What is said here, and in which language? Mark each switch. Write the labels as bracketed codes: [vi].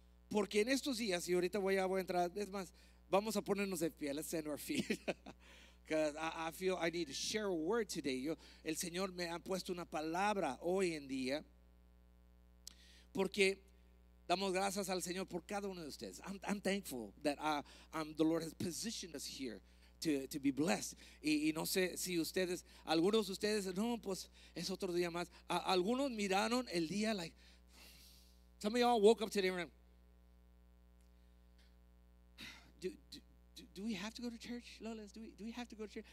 [es] Porque en estos días, y ahorita voy a entrar, es más, vamos a ponernos de pie. [en] Let's stand our feet. Because I feel I need to share a word today. [es] El Señor me ha puesto una palabra hoy en día. Porque damos gracias al Señor por cada uno de ustedes. [en] I'm thankful that the Lord has positioned us here to be blessed. [es] Y no sé si ustedes, algunos de ustedes, no, pues es otro día más. Algunos miraron el día [en] like, some of y'all woke up today and went, do we have to go to church, Lolas? Do we have to go to church?